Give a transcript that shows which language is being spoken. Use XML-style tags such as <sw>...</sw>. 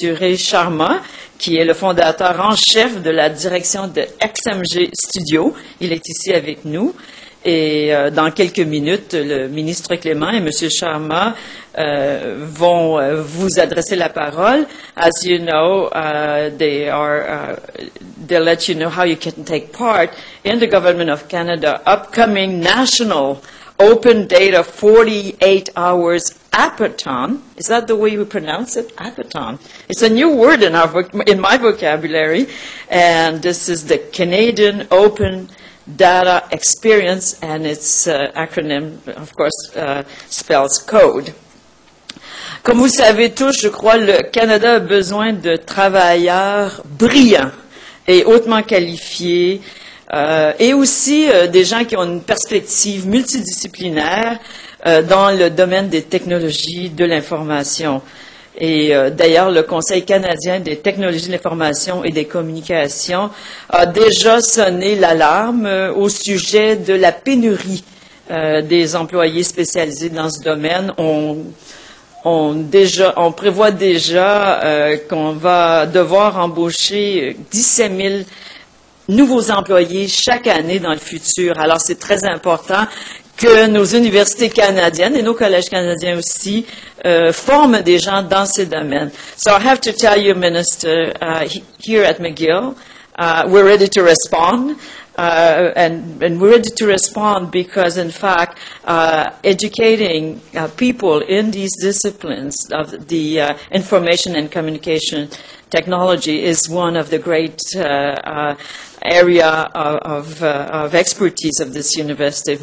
<fr>Ray Sharma, qui est le fondateur en chef de la direction de XMG Studio. Il est ici avec nous. Et dans quelques minutes, le ministre Clément et M. Sharma vont vous adresser la parole.</fr> <en>As you know, they'll let you know how you can take part in the Government of Canada upcoming national open data 48 hours appeton. Is that the way we pronounce it? Appeton. It's a new word in my vocabulary, and this is the Canadian Open Data Experience, and its acronym, of course, spells CODE.</en> <fr>Comme vous savez tous, je crois, le Canada a besoin de travailleurs brillants et hautement qualifiés, et aussi des gens qui ont une perspective multidisciplinaire dans le domaine des technologies de l'information. Et d'ailleurs, le Conseil canadien des technologies de l'information et des communications a déjà sonné l'alarme au sujet de la pénurie des employés spécialisés dans ce domaine. On prévoit déjà qu'on va devoir embaucher 17 000 nouveaux employés chaque année dans le futur. Alors, c'est très important que nos universités canadiennes et nos collèges canadiens aussi forment des gens dans ces domaines.</fr> <en>So I have to tell you, Minister, here at McGill, we're ready to respond, and we're ready to respond because, in fact, educating people in these disciplines of the information and communication technology is one of the great area of expertise of this university.</en>